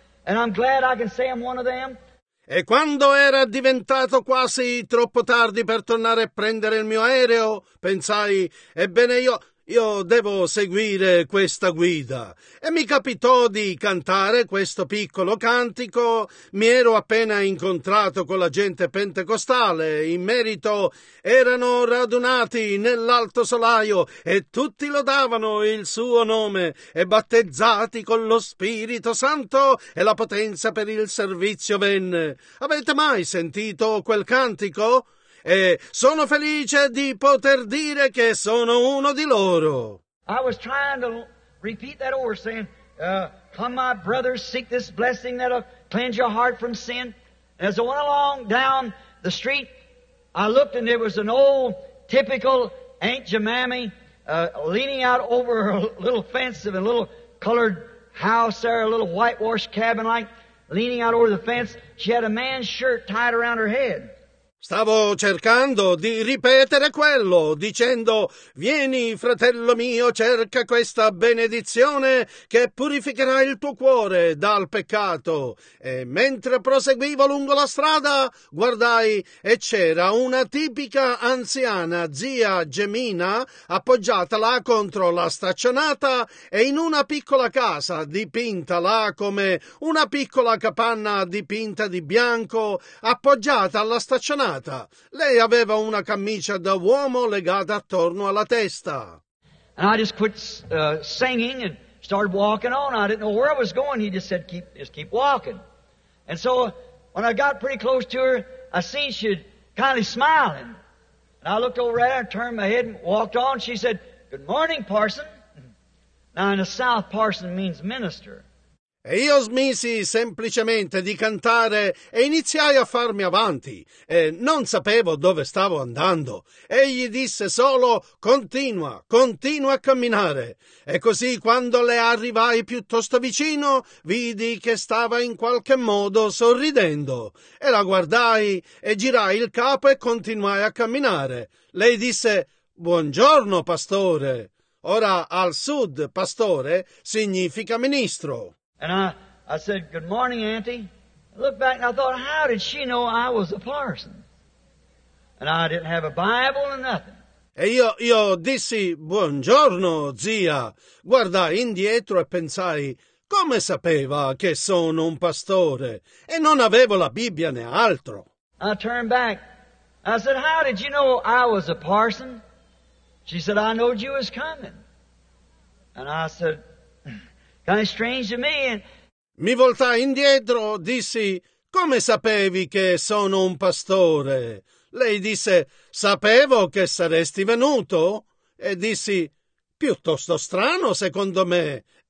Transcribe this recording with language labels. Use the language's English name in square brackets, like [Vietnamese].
[English] And I'm glad I can say I'm one of them. [Italian] E quando era diventato quasi troppo tardi per tornare a prendere il mio aereo, pensai, ebbene io devo seguire questa guida. E mi capitò di cantare questo piccolo cantico. Mi ero appena incontrato con la gente pentecostale. In merito erano radunati nell'alto solaio e tutti lodavano il suo nome e battezzati con lo Spirito Santo e la potenza per il servizio venne. Avete mai sentito quel cantico? E sono felice di poter dire che sono uno di loro. [English] I was trying to repeat that over, saying, come my brothers, seek this blessing that'll cleanse your heart from sin. As I went along down the street, I looked and there was an old typical Aunt Jemammy leaning out over a little fence of a little colored house there, a little whitewashed cabin like, leaning out over the fence. She had a man's shirt tied around her head. [Italian] Stavo cercando di ripetere quello, dicendo, vieni, fratello mio, cerca questa benedizione che purificherà il tuo cuore dal peccato. E mentre proseguivo lungo la strada, guardai e c'era una tipica anziana zia Gemina appoggiata là contro la staccionata e in una piccola casa dipinta là come una piccola capanna dipinta di bianco appoggiata alla staccionata. Lei aveva una camicia da uomo legata attorno alla testa. [English] And I just quit singing and started walking on. I didn't know where I was going. He just said, keep walking. And so when I got pretty close to her, I seen she was kind of smiling. And I looked over at her and turned my head and walked on. She said, good morning, parson. Now in the South, parson means minister. [Italian] E io smisi semplicemente di cantare e iniziai a farmi avanti e non sapevo dove stavo andando. Egli disse solo, continua, continua a camminare. E così quando le arrivai piuttosto vicino, vidi che stava in qualche modo sorridendo. E la guardai e girai il capo e continuai a camminare. Lei disse, buongiorno pastore. Ora al sud pastore significa ministro. [English] And I said, good morning, Auntie. I looked back and I thought, how did she know I was a parson? And I didn't have a Bible or nothing. [Italian] E io dissi, buongiorno, zia. Guardai indietro e pensai, come sapeva che sono un pastore? E non avevo la Bibbia né altro. [English] I turned back. I said, how did you know I was a parson? She said, I knowed you was coming. And I said, kind of strange to me. [Italian] Mi voltai indietro, dissi, come sapevi che sono un pastore? Lei disse, sapevo che saresti venuto. E dissi, piuttosto strano, secondo me.